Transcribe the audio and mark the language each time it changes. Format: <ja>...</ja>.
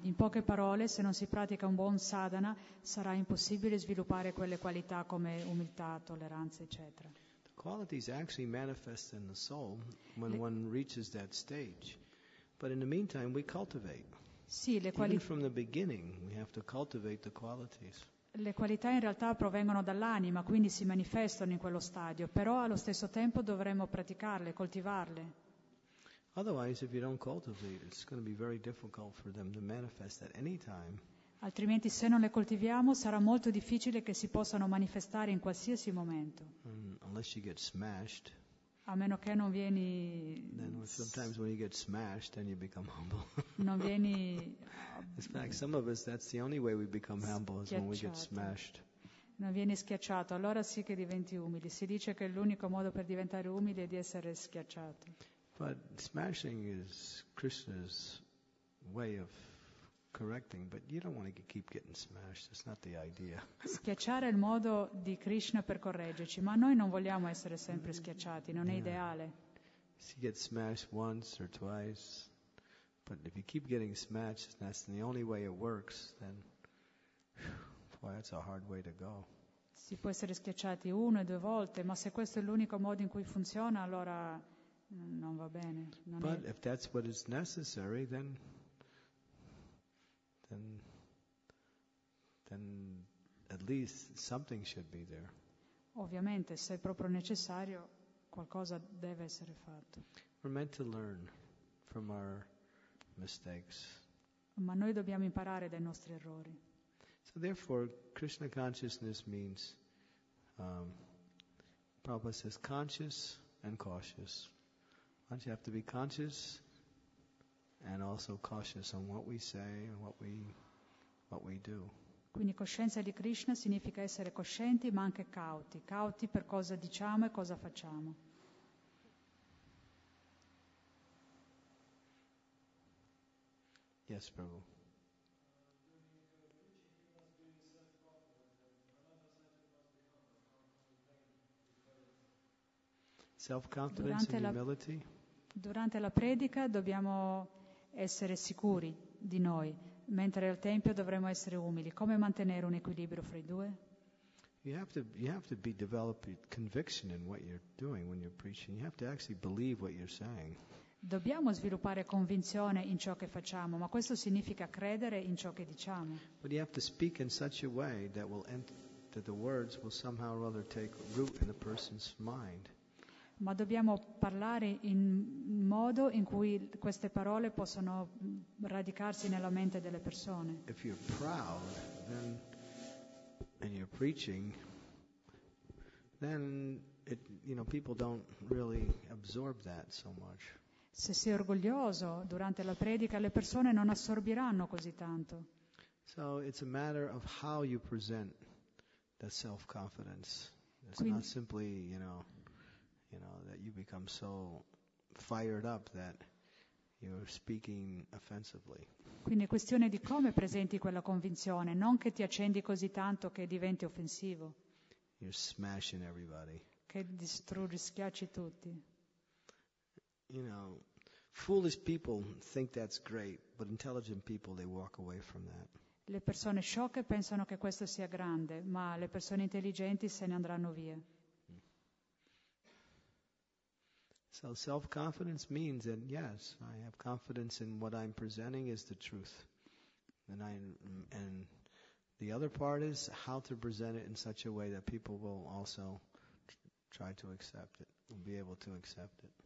<it>In poche parole, se non si pratica un buon sadhana, sarà impossibile sviluppare quelle qualità come umiltà, tolleranza, eccetera.</it> <en>The qualities actually manifest in the soul when one reaches that stage. But in the meantime, we cultivate.</en> <it>Sì,</it> <en>even from the beginning, we have to cultivate the qualities.</en> <it>Le qualità in realtà provengono dall'anima, quindi si manifestano in quello stadio. Però allo stesso tempo dovremmo praticarle, coltivarle.</it> <en>Otherwise, if you don't cultivate, it's going to be very difficult for them to manifest at any time.</en> <it>Altrimenti, se non le coltiviamo, sarà molto difficile che si possano manifestare in qualsiasi momento.</it> <en>Unless you get smashed.</en> <it>A meno che non vieni.</it> <en>Then sometimes when you get smashed, then you become humble.</en> <it>Non vieni.</it> <en>In fact, some of us, that's the only way we become humble, is when we get smashed.</en> <it>Non vieni schiacciato, allora sì che diventi umile. Si dice che l'unico modo per diventare umile è di essere schiacciato.</it> <en>But smashing is Krishna's way of correcting, but you don't want to keep getting smashed. That's not the idea.</en> <it>Schiacciare il modo di Krishna per correggerci, ma noi non vogliamo essere sempre schiacciati, non è ideale.</it> <en>You get smashed once or twice, but if you keep getting smashed, and that's the only way it works, then boy, that's a hard way to go.</en> <it>Si può essere schiacciati una o due volte, ma se questo è l'unico modo in cui funziona, allora non va bene.</it> <en>But if that's what is necessary, then. Then at least something should be there.</en> <it>Ovviamente, se è proprio necessario, qualcosa deve essere fatto.</it> <en>We're meant to learn from our mistakes.</en> <it>Ma noi dobbiamo imparare dai nostri errori.</it> <en>So therefore, Krishna consciousness means, Prabhupada says, conscious and cautious. Don't you have to be conscious? And also cautious on what we say and what we do.</en> <it>Quindi coscienza di Krishna significa essere coscienti ma anche cauti. Cauti per cosa diciamo e cosa facciamo.</it> <en>Yes, Prabhu. Self-confidence and humility.</en> <it>Durante la predica dobbiamo essere sicuri di noi, mentre al tempio dovremmo essere umili. Come mantenere un equilibrio fra i due?</it> <en>You have to be developing conviction in what you're doing when you're preaching. You have to actually believe what you're saying.</en> <it>Dobbiamo sviluppare convinzione in ciò che facciamo, ma questo significa credere in ciò che diciamo.</it> <en>But you have to speak in such a way that will that the words will somehow or other take root in the person's mind.</en> <it>Ma dobbiamo parlare in modo in cui queste parole possono radicarsi nella mente delle persone.</it> <en>If you're proud, then, and you're preaching, then it, you know, people don't really absorb that so much.</en> <it>Se sei orgoglioso durante la predica, le persone non assorbiranno così tanto.</it> <en>So it's a matter of how you present the self-confidence. It's quindi, not simply, you know. You know, that you become so fired up that you're speaking offensively.</en> <it>Quindi è questione di come presenti quella convinzione, non che ti accendi così tanto che diventi offensivo.</it> <en>You're smashing everybody.</en> <it>Che distruggi, schiacci tutti.</it> <en>You know, foolish people think that's great, but intelligent people, they walk away from that.</en> <it>Le persone sciocche pensano che questo sia grande, ma le persone intelligenti se ne andranno via.</it> <en>So self-confidence means that yes, I have confidence in what I'm presenting is the truth. And the other part is how to present it in such a way that people will also try to accept it, will be able to accept it.</en>